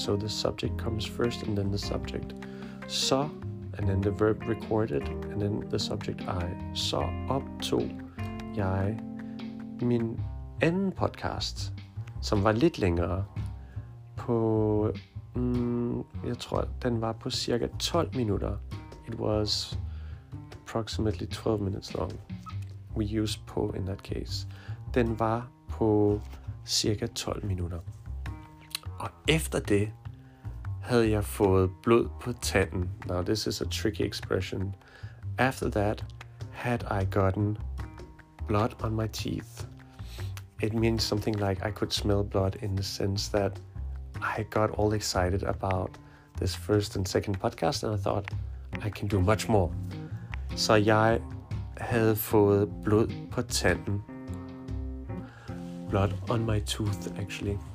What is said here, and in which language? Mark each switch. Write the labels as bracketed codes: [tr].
[en] So the subject comes first and then the subject. Saw, and then the verb recorded, and then the subject I. [da] Så optog jeg min anden podcast, som var lidt længere, på, jeg tror, den var på cirka 12 minutter. [en] It was approximately 12 minutes long. We use på in that case. [da] Den var på cirka 12 minutter. Og efter det havde jeg fået blod på tanden. [en] Now this is a tricky expression. After that had I gotten blood on my teeth. It means something like I could smell blood in the sense that I got all excited about this first and second podcast and I thought I can do much more. [da] Så jeg havde fået blod på tanden. [en] Blood on my tooth, actually.